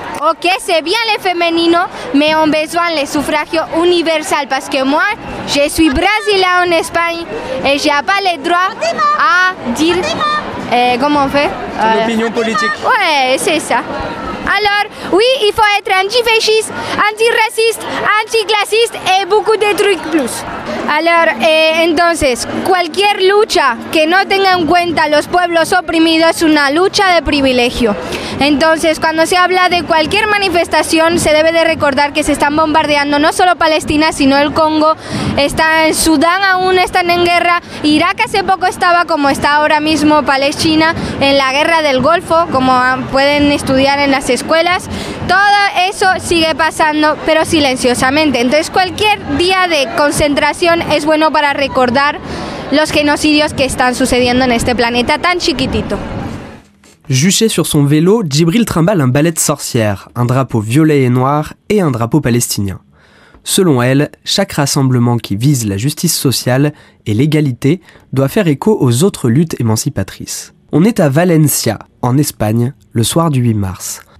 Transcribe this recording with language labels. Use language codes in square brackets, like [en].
[fr] Ok, c'est bien le féminin, mais on a besoin du suffrage universel, parce que moi, je suis brésilien en Espagne et je n'ai pas le droit à dire... comment on fait ? L'opinion politique. Ouais, c'est ça. Alors, oui, il faut être anti-fasciste, anti-raciste, anti-classiste et beaucoup de trucs plus. [es] Alors, entonces, cualquier lucha que no tenga en cuenta los pueblos oprimidos es una lucha de privilegio. Entonces, cuando se habla de cualquier manifestación, se debe de recordar que se están bombardeando no solo Palestina, sino el Congo. Está en Sudán, aún están en guerra. Irak hace poco estaba, como está ahora mismo Palestina, en la guerra del Golfo, como pueden estudiar en las escuelas. Todo eso sigue pasando, pero silenciosamente. Entonces, cualquier día de concentración es bueno para recordar los genocidios que están sucediendo en este planeta tan chiquitito. [fr] Juché sur son vélo, Djibril trimballe un balai de sorcière, un drapeau violet et noir et un drapeau palestinien. Selon elle, chaque rassemblement qui vise la justice sociale et l'égalité doit faire écho aux autres luttes émancipatrices. On est à Valencia, en Espagne, le soir du 8 mars.